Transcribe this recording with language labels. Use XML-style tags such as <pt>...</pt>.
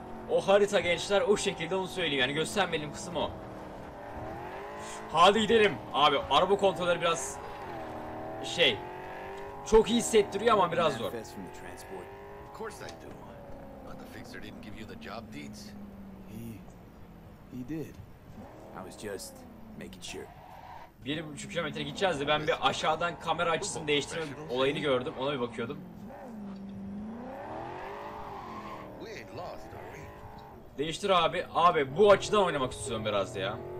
<tr>O harita gençler, o şekilde, onu söyleyeyim. Yani göstermediğim kısım o. Hadi gidelim. Abi araba kontrolleri biraz şey, çok iyi hissettiriyor ama biraz zor.</tr> <en>Of course I do. But the fixer didn't give you the job deeds. He did. I was just making sure.</en> <tr>1,5 kilometre gideceğiz de ben bir aşağıdan kamera açısını değiştirme olayını gördüm. Ona bir bakıyordum.</tr> <en>We ain't lost, are we?</en> <tr>Değiştir abi. Abi bu açıdan oynamak istiyorum biraz ya.</tr>